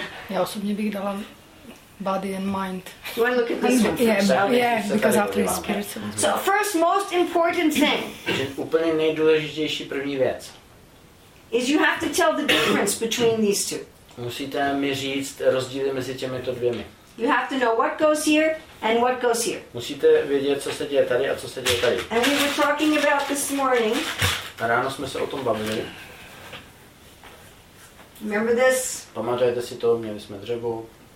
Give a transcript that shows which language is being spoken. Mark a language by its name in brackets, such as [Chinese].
[Czech] Já osobně bych dala [English] body and mind. You want to look at this one? Yeah, because after the spirit. So first most important thing. [Czech] Úplně nejdůležitější první věc. [English] Is you have to tell the difference between these two. [Czech] Musíte mi říct rozdíly mezi těmito dvěmi. [English] You have to know what goes here and what goes here. [Czech] Musíte vědět, co se děje tady a co se děje tady. [English] And we were talking about this morning. [Czech] A ráno jsme se o tom bavili. [English] Remember this? [Czech] Pamatujete si to, měli jsme dřevo.